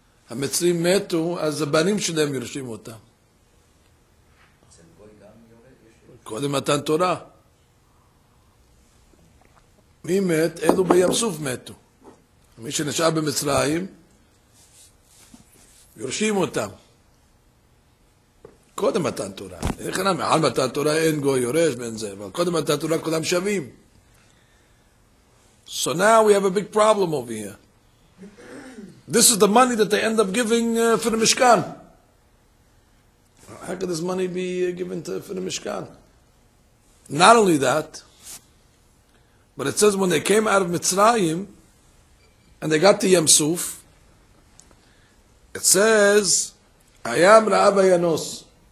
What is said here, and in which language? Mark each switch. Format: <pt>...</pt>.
<he>המצרים מתו אז הבנים שלהם יורשים אותם קודם מתן תורה מי מת? אלו בים סוף מתו מי שנשאר במצרים יורשים אותם קודם מתן תורה מעל מתן תורה אין גוי יורש בין זה אבל קודם מתן תורה כולם שווים.</he> <en>So now we have a big problem over here. This is the money that they end up giving for the Mishkan. How could this money be given for the Mishkan? Not only that, but it says when they came out of Mitzrayim and they got to Yam Suf, it says, Ayam Ra'aba Yanos.</en>